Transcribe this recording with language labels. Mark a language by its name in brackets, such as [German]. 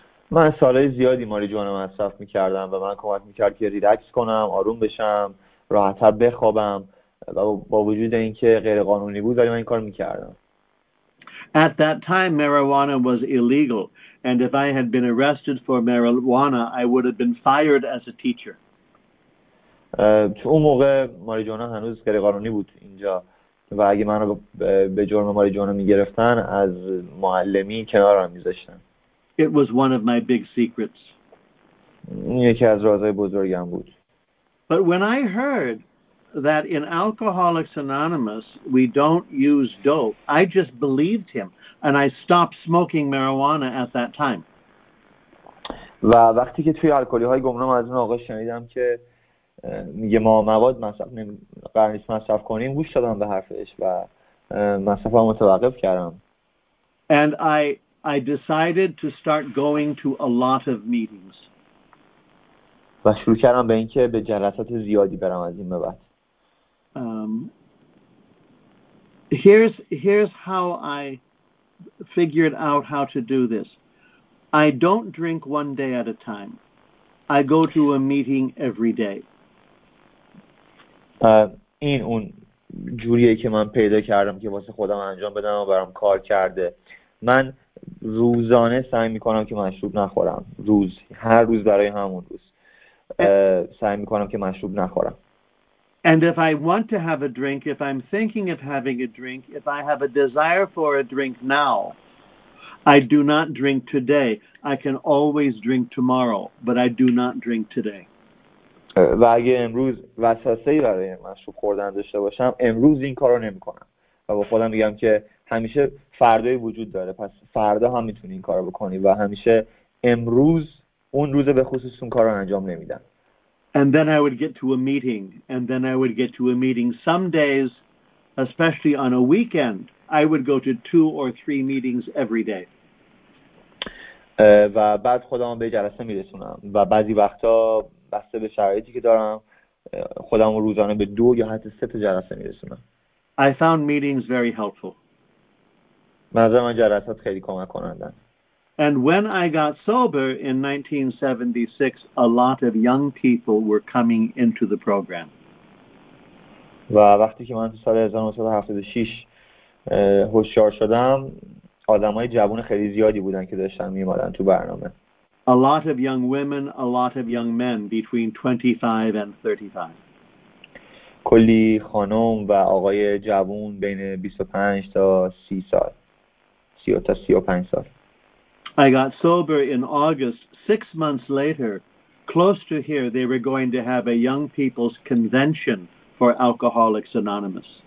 [Persian] من سالهای زیادی ماریجوانا مصرف می‌کردم و من کمک می‌کرد که ریلکس کنم، آروم بشم، راحت‌تر بخوابم و با وجود اینکه غیر قانونی بود ولی من این کارو می‌کردم. [English] At that time marijuana was illegal and if I had been arrested for marijuana I would have been fired as a teacher. [Persian] تو اون موقع ماریجوانا هنوز غیر قانونی بود اینجا. و اگه من رو به جرم ماریجوانا میگرفتن از معلمی کنار رو میذاشتن. [English] It was one of my big secrets. [Persian] یکی از رازهای بزرگم بود. [English] But when I heard that in Alcoholics Anonymous we don't use dope, I just believed him and I stopped smoking marijuana at that time. [Persian] و وقتی که توی الکلی های گمنام از اون آقا شنیدم که میگه ما مواد مصرف قرار نیست مصرف کنیم، گوش دادم به حرفش و مصرف رو متوقف کردم. [English] And I decided to start going to a lot of meetings. [Persian] و شروع کردم به اینکه به جلسات زیادی برم از این به بعد. [English] Here's how I figured out how to do this. I don't drink one day at a time. I go to a meeting every day. [Persian] این اون جوریه که من پیدا کردم که واسه خودم انجام بدم و برام کار کرده. من روزانه سعی میکنم که مشروب نخورم، روز، هر روز برای همون روز سعی میکنم که مشروب نخورم. [English] And if I want to have a drink, if I'm thinking of having a drink, if I have a desire for a drink now, I do not drink today. I can always drink tomorrow, but I do not drink today. [Persian] و اگه امروز وسوسه‌ای برای مشروب خوردن داشته باشم امروز این کارو نمی‌کنم و با خودم میگم که همیشه فردای وجود داره، پس فردا هم میتونی این کارو بکنی و همیشه امروز اون روز به خصوص اون کارو انجام نمیدم. [English] And then I would get to a meeting and then I would get to a meeting. Some days, especially on a weekend, I would go to two or three meetings every day. [Persian] و بعد خودم به جلسه میرسونم و بعضی وقتا بسته به شرایطی که دارم خودم روزانه به دو یا حتی سه تا جلسه میرسونم. [English] I found meetings very helpful. [Persian] منظورم جلسات خیلی کمک کنندن. [English] And when I got sober in 1976, a lot of young people were coming into the program. [Persian] و وقتی که من تو سال 1976 هوشیار شدم، آدمای جوان خیلی زیادی بودن که داشتن میومدن تو برنامه. [English] A lot of young women, a lot of young men between 25 and 35. [Persian] کلی خانم و آقای جوون بین 25 تا 30 سال 30 تا 35 سال. [English] I got sober in August. 6 months later, close to here, they were going to have a young people's convention for Alcoholics Anonymous.